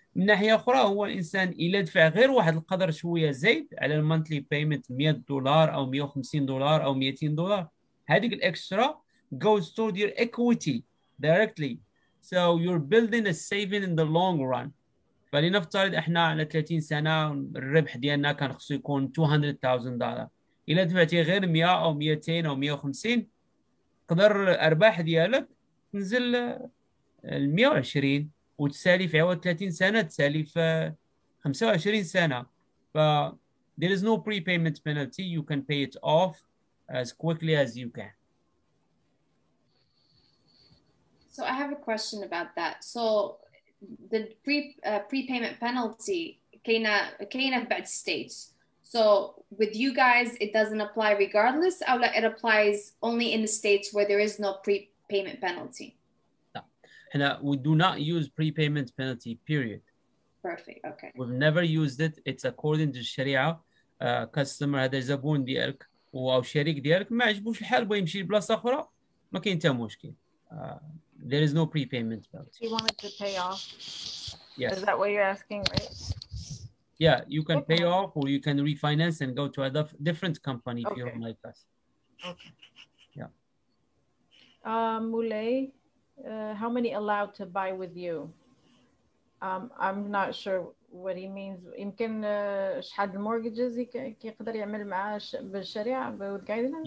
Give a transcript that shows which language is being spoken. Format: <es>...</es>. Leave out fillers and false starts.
<ar>من ناحيه اخرى هو الانسان الا دفع غير واحد القدر شويه زايد على المونثلي بيمنت $100 او $150 او $200، هذيك الاكسترا</ar> <en>goes toward your equity directly. So you're building a saving in the long run.</en> <ar>فلنفترض احنا على 30 سنه الربح ديالنا كان خصو يكون $200,000. الا دفعتي غير 100 او 200 او 150 قدر الارباح ديالك تنزل ل 120 وتسالي في عوض 30 سنه تسالي في 25 سنه.</ar> <en>ف there is no prepayment penalty. You can pay it off as quickly as you can. So I have a question about that. So the prepayment penalty</en> <ar>كاينه بعد</ar> <en>states. So with you guys, it doesn't apply regardless. أو it applies only in the states where there is no prepayment penalty. No. We do not use prepayment penalty, period. Perfect. Okay. We've never used it. It's according to Sharia.</en> <ar>Customer هذا زبون ديالك أو شريك ديالك ما عجبوش الحال بيمشي لبلاصة أخرى، ما كاين حتى مشكل.</ar> <en>There is no prepayment penalty. He wanted to pay off. Yes. Is that what you're asking, right? Yeah, you can pay off or you can refinance and go to a different company if you don't like us. Okay. Yeah. Moulay, how many allowed to buy with you? I'm not sure what he means.</en> <ar>يمكن شحال المورجز يقدر يعمل معاه بالشريعة بالجايدلاينز؟</ar>